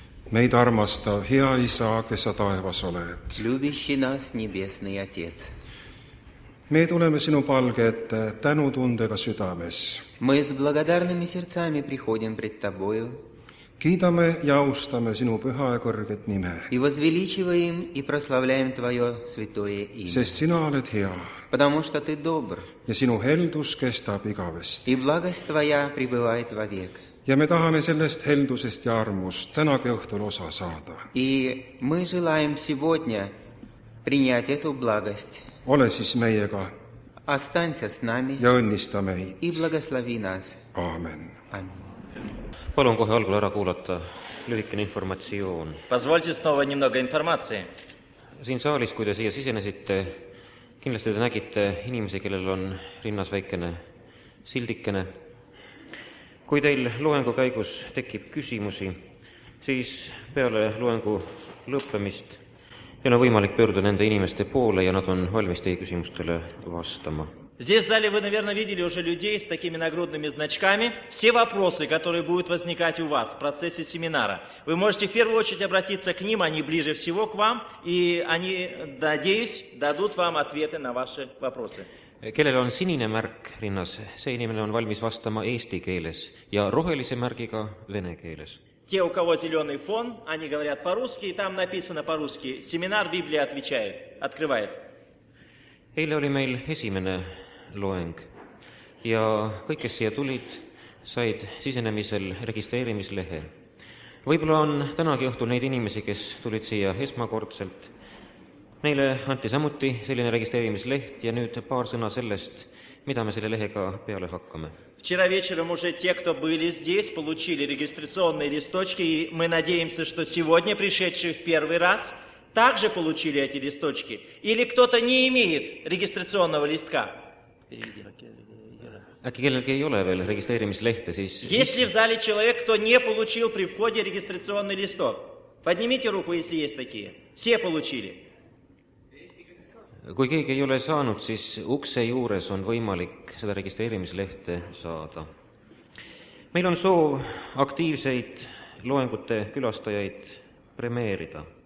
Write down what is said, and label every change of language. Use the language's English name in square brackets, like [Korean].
[Estonian] Meid armastav, hea isa, kes sa taevas oled. [Russian] Любящий нас, небесный отец. [Estonian] Me tuleme sinu palge ette tänu tundega südames. [Russian] Мы с благодарными сердцами приходим пред тобою. [Estonian] Kiidame ja austame sinu püha ja kõrget nime. [Russian] И возвеличиваем и прославляем твое святое имя. [Estonian] Sest sina oled hea. [Russian] Потому что ты добр. [Estonian] Ja sinu heldus kestab igavesti. [Russian] И благость твоя пребывает вовек. [Estonian] Ja me tahame sellest heldusest ja armust tänagi õhtul osa saada. [Russian] И мы желаем сегодня принять эту благость. [Estonian] Ole siis meiega. [Russian] Останься с нами. [Estonian] Ja õnnista meid. [Russian] И благослови нас. [Estonian] Amen. [Russian] Amen. [Estonian] Palun kohe algul ära kuulata lühikene informatsioon. [Russian] Позвольте снова немного информации. [Estonian] Siin saalis, kui te siia sisenesite, kindlasti te nägite inimesi, kellel on rinnas väikene sildikene. Kui teil loengu käigus tekib küsimusi, siis peale loengu lõppemist on võimalik pöörda nende inimeste poole ja nad on valmis teie küsimustele vastama. [Russian] Здесь в зале вы, наверное, видели уже людей с такими нагрудными значками. Все вопросы, которые будут возникать у вас в процессе семинара, вы можете в первую очередь обратиться к ним, они ближе всего к вам, и они, надеюсь, дадут вам ответы на ваши вопросы. [Estonian] Kellel on sinine märk rinnas, see inimene on valmis vastama eesti keeles ja rohelise märgiga vene keeles. [Russian] Те, у кого зеленый фон, они говорят по-русски, и там написано по-русски. Семинар Библия отвечает, открывает. [Estonian] Eile oli meil esimene loeng ja kõik, kes siia tulid, said sisenemisel registreerimislehe. Võibolla on tänagi õhtul neid inimesi, kes tulid siia esmakordselt. Neile anti samuti selline registreerimisleht ja nüüd paar sõna sellest, mida me selle lehega peale hakkame. [Russian] Вчера вечером уже те, кто были здесь, получили регистрационные листочки и мы надеемся, что сегодня пришедшие в первый раз также получили эти листочки. Или кто-то не имеет регистрационного листка? [Estonian] Äkki kellelgi ei ole veel registreerimislehte, siis... [Russian] Если в зале человек, кто не получил при входе регистрационный листок, поднимите руку, если есть такие. Все получили. [Estonian] Kui keegi ei ole saanud, siis ukse juures on võimalik seda registreerimislehte saada. Meil on soov aktiivseid loengute külastajaid premeerida.